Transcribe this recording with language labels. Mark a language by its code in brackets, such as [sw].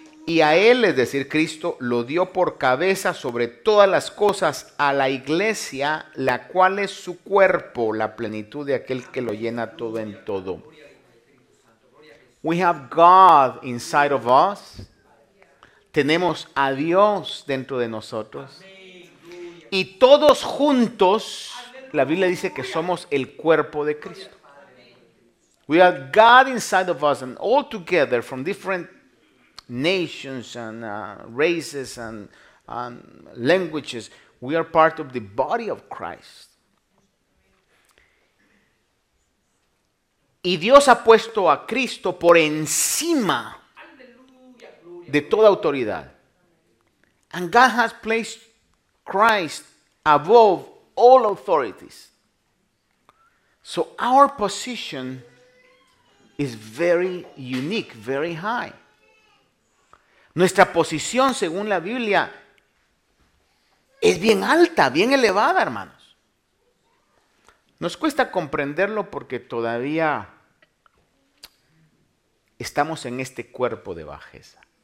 [es] Y a él, es decir, Cristo, lo dio por cabeza sobre todas las cosas a la iglesia, la cual es su cuerpo, la plenitud de aquel que lo llena todo en todo. [en] We have God inside of us. [es] Tenemos a Dios dentro de nosotros. Y todos juntos, la Biblia dice que somos el cuerpo de Cristo. [en] We have God inside of us, and all together from different nations and races and languages, we are part of the body of Christ. [es] Y Dios ha puesto a Cristo por encima de toda autoridad. [en] And God has placed Christ above all authorities. So our position is very unique, very high. [es] Nuestra posición, según la Biblia, es bien alta, bien elevada, hermanos. Nos cuesta comprenderlo porque todavía estamos en este cuerpo de bajeza.